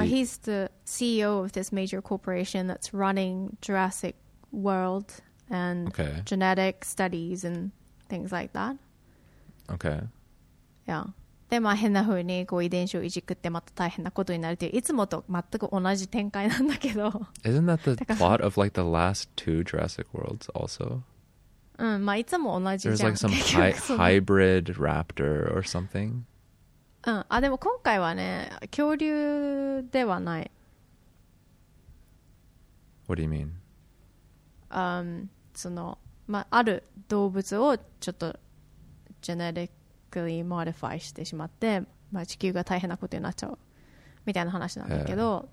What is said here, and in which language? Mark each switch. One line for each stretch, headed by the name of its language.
English: He's the CEO of this major corporation that's running Jurassic World and genetic studies and things like that. Okay. Yeah.
Japanese: でまあ変な風にこう遺伝子をいじくってまた大変なことになるっていう、いつもと全く同じ展開なんだけど。
English: Isn't that the plot of like the last two Jurassic Worlds also?
Japanese: うん、まあいつも同じじゃん。
English: There's like some hybrid raptor or something.
Japanese: うん、あでも今回はね、恐竜ではない。
English: What do you mean?
Japanese: その、まあ、ある動物をちょっと
English: genetically modify
Japanese: してしまって、まあ、地球が大変なことになっちゃうみたいな話なんだけど。